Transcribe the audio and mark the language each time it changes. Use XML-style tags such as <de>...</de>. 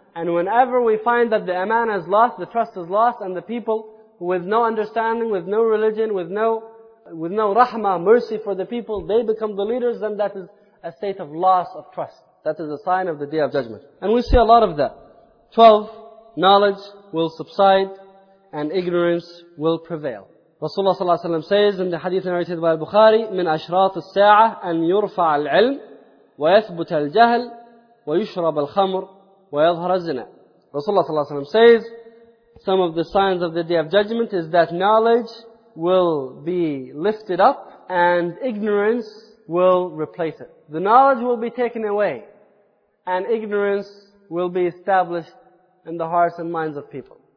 <en>And whenever we find that the amana is lost, the trust is lost, and the people with no understanding, with no religion, with no rahmah, mercy for the people, they become the leaders, then that is a state of loss of trust. That is a sign of the Day of Judgment. And we see a lot of that. 12, knowledge will subside and ignorance will prevail. Rasulullah sallallahu alaihi wasallam says in the hadith narrated by Bukhari,</en> <ar>من أشراط الساعة أن يرفع العلم ويثبت الجهل ويشرب الخمر ويظهر الزنا.</ar> <en>Rasulullah sallallahu alaihi wasallam says, some of the signs of the Day of Judgment is that knowledge will be lifted up and ignorance will replace it. The knowledge will be taken away and ignorance will be established in the hearts and minds of people.</en>